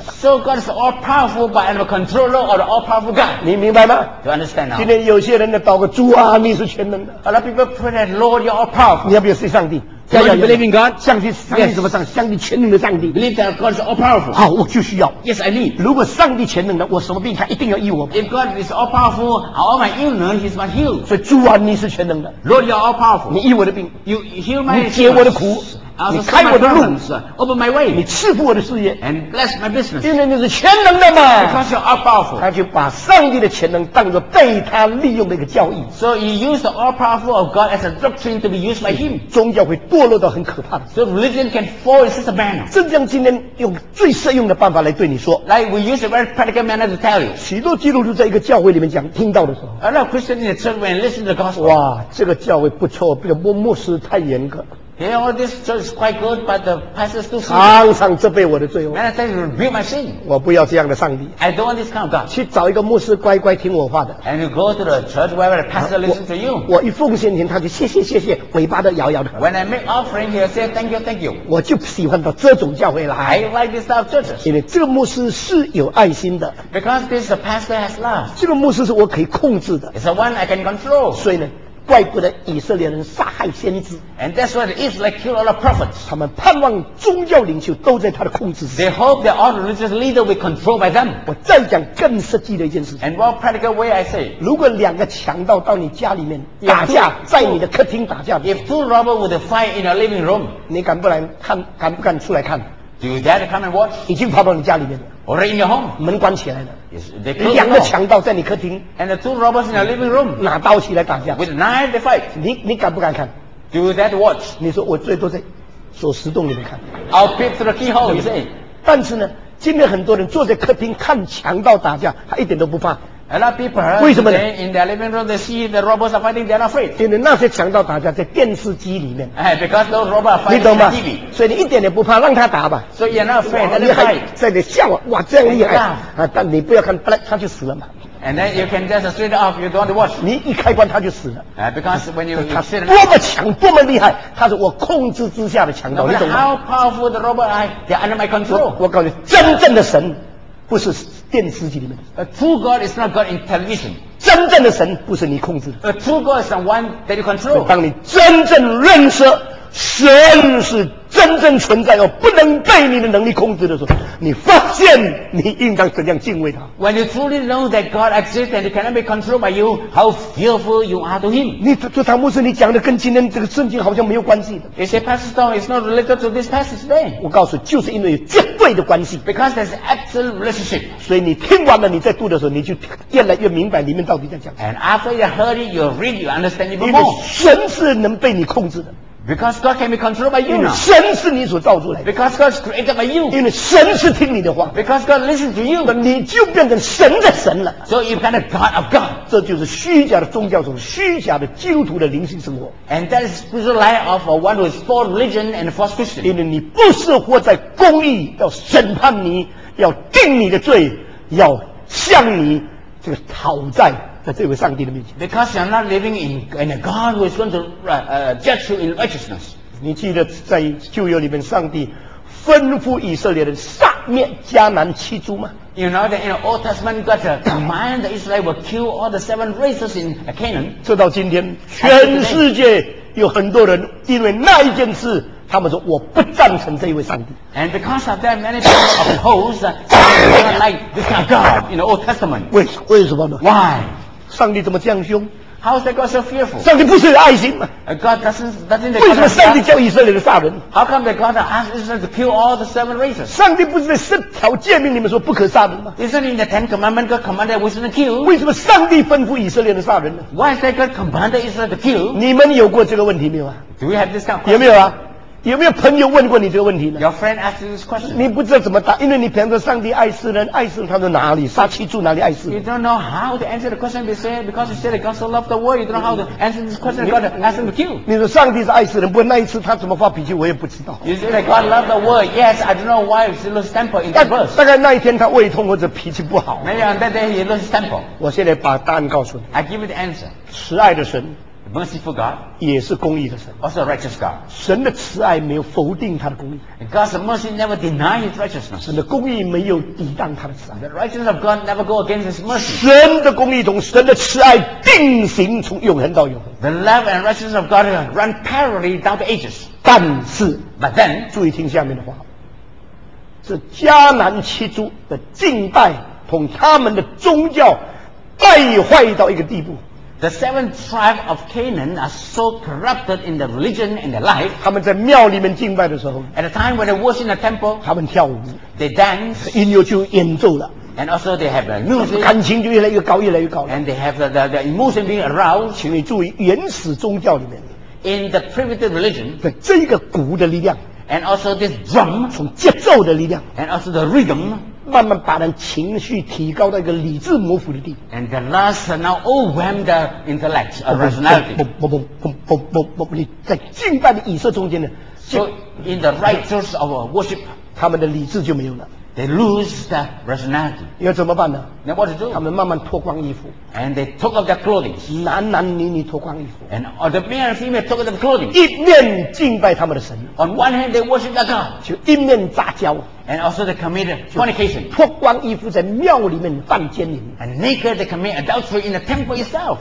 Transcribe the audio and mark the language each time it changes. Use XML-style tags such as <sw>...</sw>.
<en>So God is all powerful, but I'm a controller of the all powerful God.</en> <zh>你明白吗</zh> <en>？You understand now?</en> <zh>今天有些人的祷告，主啊，你是全能的。</zh> <en>A lot of people pray that Lord, you're all powerful.</en> <zh>你要不要信上帝？</zh> <en>Do you believe in God?</en> <zh>相信上帝怎么上？</zh> <en>Yes.</en> <zh>相信全能的上帝。</zh> <en>Believe that God is all powerful.</en> <zh>好，我就需要。</zh> <en>Yes, I need.</en> <zh>如果上帝全能的，我什么病他一定要医我。</zh> <en>If God is all powerful, all my illness is my heal.</en> <zh>所以主啊，你是全能的。</zh> <en>Lord, you are all powerful.</en> <zh>你医我的病。</zh> <en>You heal my.</en> <zh>你解我的苦。你开我的路</zh> <en>，open my way，</en> <zh>你赐福我的事业</zh> <en>，and bless my business，</en> <zh>因为你是全能的嘛。</zh> <en>Because you are powerful，</en> <zh>他就把上帝的全能当作被他利用的一个教义。</zh> <en>So he used the all powerful of God as a doctrine to be used by him。</en> <zh>宗教会堕落到很可怕的。</zh> <en>So religion can fall in such a manner。</en> <zh>正像今天用最适用的办法来对你说。</zh> <en>Like we use a very practical manner to tell you。</en> <zh>许多基督徒在一个教会里面讲听到的时候</zh> <en>，a lot of Christians in the church when listen to the gospel。</en> <zh>哇，这个教会不错，这个牧师太严格。</zh> <en>Yeah, all this church is quite good, but the pastor still sin.</en> <zh>常常责备我的罪恶。</zh> <en>Many times you rebuke my sin.</en> <zh>我不要这样的上帝。</zh> <en>I don't want this kind of God.</en> <zh>去找一个牧师乖乖听我话的。</zh> <en>And you go to the church where the pastor listens to you.</en> <zh>我一奉献钱，他就谢谢，尾巴都摇摇的。</zh> <en>When I make offering, he'll say thank you.</en> <zh>我就喜欢到这种教会来。</zh> <en>I like this type of churches.</en> <zh>因为这个牧师是有爱心的。</zh> <en>Because this pastor has love.</en> <zh>这个牧师是我可以控制的。</zh> <en>It's the one I can control.</en> <zh>所以呢？怪不得以色列人杀害先知。</zh> <en>And that's why the Israelites kill all the prophets.</en> <zh>他们盼望宗教领袖都在他的控制下。</zh> <en>They hope that all religious leaders will be controlled by them.</en> <zh>我再讲更实际的一件事情。</zh> <en>And more practical way I say.</en> <zh>如果两个强盗到你家里面打架，在你的客厅打架。</zh> <en>If two robbers would fight in your living room.</en> <zh>你敢不来看？敢不敢出来看</zh> <en>？Do you dare to come and watch?</en> <zh>已经跑到你家里面了。</zh> <en>Or in your home.</en> <zh>门关起来了。</zh> <en>Yes,</en> <zh>两个强盗在你客厅</zh> <en>and the two robbers in your living room</en> <zh>拿刀起来打架</zh> <en>with a knife they fight</en> <zh>你敢不敢看</zh> <en>do you dare to watch</en> <zh>你说我最多在锁匙洞里面看</zh> <en>I'll peep through the keyhole you say</en> <zh>但是呢今天很多人坐在客厅看强盗打架他一点都不怕</zh> <en>a lot of people are today,</en> <zh>为什么呢</zh> <en>in their living room they see the robbers are fighting they're not afraid</en> <zh>因为那些强盗打架在电视机里面</zh> <en>because those robbers are fighting in the TV</en> <zh>所以你一点也不怕让他打吧</zh> <en>so you're not afraid they're not afraid</en> <zh>在你笑哇这样厉害、但你不要看他就死了嘛</zh> <en>and then you can just straight off you don't want to watch</en> <zh>你一开关他就死了、</zh> <en>because when you see them</en> <zh>多么强多么厉害他是我控制之下的强盗、</zh> <en>no、matter how powerful the robbers are they're under my control</en> <zh>我告诉你真正的神不是电视机里面的</zh> <en>true God is not God in television</en> <zh>真正的神不是你控制的</zh> <en>true God is the one that you control</en> <zh>当你真正认识神是真正存在又不能被你的能力控制的时候你发现你应当怎样敬畏他</zh> <en>when you truly know that God exists and cannot be controlled by you how fearful you are to him</en> <zh>你朱唐牧师你讲的跟今天这个圣经好像没有关系的</zh> <en>you say Pastor Stone it's not related to this passage today</en> <zh>我告诉就是因为有绝对的关系</zh> <en>because there's absolute relationship</en> <zh>所以你听完了你在读的时候你就越来越明白里面到底在讲什么</zh> <en>and after you heard it you read you understand even more</en> <zh>因为神是能被你控制的</zh> <en>Because God can be controlled by you now.</en> <zh>因为神是你所造出来的。</zh> <en>Because God is created by you.</en> <zh>因为神是听你的话。</zh> <en>Because God listens to you.</en> <zh>你就变成神的神了。</zh> <en>So you become a God of God.</en> <zh>这就是虚假的宗教，虚假的基督徒的灵性生活。</zh> <en>And that is spiritual life of one who is false religion and false Christian.</en> <zh>因为你不是活在公义，要审判你，要定你的罪，要向你这个讨债。在这位上帝的面前</zh> <en>Because you're not living in a God who is going to judge you in righteousness</en> <zh>你记得在旧约里面上帝吩咐以色列人杀灭迦南七族吗</zh> <en>You know that in the Old Testament God commanded the Israelites will kill all the seven races in Canaan</en> <zh>直到今天全世界有很多人因为那一件事他们说我不赞成这一位上帝</zh> <en>And because of that many people oppose they don't like this kind of God in the Old Testament</en> <zh>为什么呢</zh> <en>Why?</en> <zh>上帝怎么这样凶</zh> <en>How is that God so fearful?</en> <zh>上帝不是有爱心吗</zh> <en>God doesn't</en> <zh>为什么上帝叫以色列的杀人</zh> <en>How come that God asked Israel to kill all the seven races?</en> <zh>上帝不是在十条诫命里面说不可杀人吗</zh> <en>Isn't in the Ten Commandments God commanded we shouldn't kill?</en> <zh>为什么上帝吩咐以色列的杀人呢</zh> <en>Why is that God commanded Israel to kill?</en> <zh>你们有过这个问题没有啊</zh> <en>Do we have this kind of question?</en> <zh>有没有啊有没有朋友问过你这个问题呢</zh> <en>Your friend asked this question</en> <zh>你不知道怎么答因为你平时上帝爱世人爱世人他在哪里杀七柱哪里爱世人</zh> <en>You don't know how to answer the question because you said God so loved the world You don't know how to answer this question God asked him to kill</en> <zh>你说上帝是爱世人不过那一次他怎么发脾气我也不知道</zh> <en>You said God loved the world Yes I don't know why he lost his temper in that verse</en> <zh>大概那一天他胃痛或者脾气不好</zh> <en>Maybe on that day he lost his temper</en> <zh>我现在把答案告诉你</zh> <en>I give you the answer</en> <zh>慈爱的神</zh> <en>Merciful God</en> <zh>也是公义的神</zh> <en>Also righteous God</en> <zh>神的慈爱没有否定他的公义</zh> <en>God's mercy never denies his righteousness</en> <zh>神的公义没有抵挡他的慈爱</zh> <en>The righteousness of God never go against his mercy</en> <zh>神的公义同神的慈爱并行从永恒到永恒</zh> <en>The love and righteousness of God run parallelly down the ages</en> <zh>但是</zh> <en>But then</en> <zh>注意听下面的话这迦南七族的敬拜同他们的宗教败坏到一个地步</zh> <en>The seven tribes of Canaan are so corrupted in the religion and the life.</en> <zh>他们在庙里面敬拜的时候</zh> <en>，at the time when they worship in the temple，</en> <zh>他们跳舞</zh> <en>，they dance，</en> <zh>音乐就演奏了。</zh> <en>And also they have a music，</en> <zh>感情就越来越高，越来越高。</zh> <en>And they have the emotion being aroused。</en> <zh>请你注意原始宗教里面</zh> <en>，in the primitive religion，</en> <zh>对这个鼓的力量</zh> <en>，and also this drum，</en> <zh>从节奏的力量</zh> <en>，and also the rhythm。</en> <zh>慢慢把人情绪提高到一个理智模糊的地步。</zh> <en>And the last now overwhelm the intellect, a rationality.</en> <zh>不不不不不不不不，你在敬拜的以色列中间呢</zh> <en>？So in the rituals of worship,</en> <zh>他们的理智就没有了。</zh> <en>They lose the rationality.</en> <zh>要怎么办呢</zh> <en>？Now what to do?</en> <zh>他们慢慢脱光衣服。</zh> <en>And they took off their clothing.</en> <zh>男男女女脱光衣服。</zh> <en>And all the men and female took off their clothing.</en> <zh>一面敬拜他们的神。</zh> <en>On one hand they worship the God.</en> <zh>就一面杂交。</zh> <en>And also they committed fornication.</en> <zh>脱光衣服在庙里面犯奸淫。</zh> <en>And naked they commit adultery in the temple itself.</en>